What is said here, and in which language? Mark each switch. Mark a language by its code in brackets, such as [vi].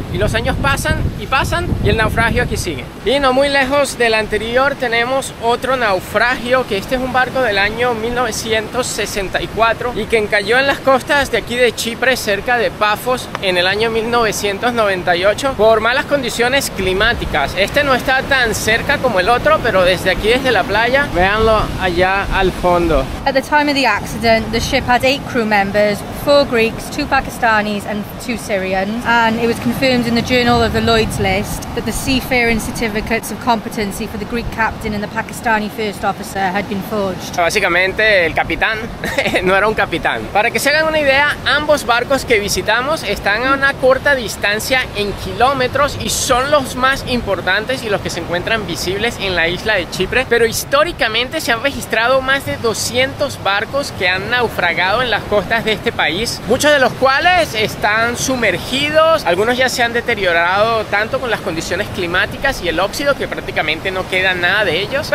[es] Y los años pasan y pasan y el naufragio aquí sigue. Y no muy lejos del anterior tenemos otro naufragio, que este es un barco del año 1964 y que encalló en las costas de aquí de Chipre, cerca de Pafos, en el año 1998 por malas condiciones climáticas. Este no está tan cerca como el otro, pero desde aquí, desde la playa, véanlo allá al fondo. [en] At the time of the accident, the ship had 8 crew members: 4 Greeks, 2 Pakistanis and 2 Syrians, and it was confirmed in the Journal of the Lloyd's List that the seafaring certificates of competency for the Greek captain and the Pakistani first officer had been forged. [es] Básicamente el capitán no era un capitán. Para que se hagan una idea, ambos barcos que visitamos están a una corta distancia en kilómetros y son los más importantes y los que se encuentran visibles en la isla de Chipre, pero históricamente se han registrado más de 200 barcos que han naufragado en las costas de este país, muchos de los cuales están sumergidos, algunos ya se han deteriorado tanto con las condiciones climáticas y el óxido que prácticamente no queda nada de ellos.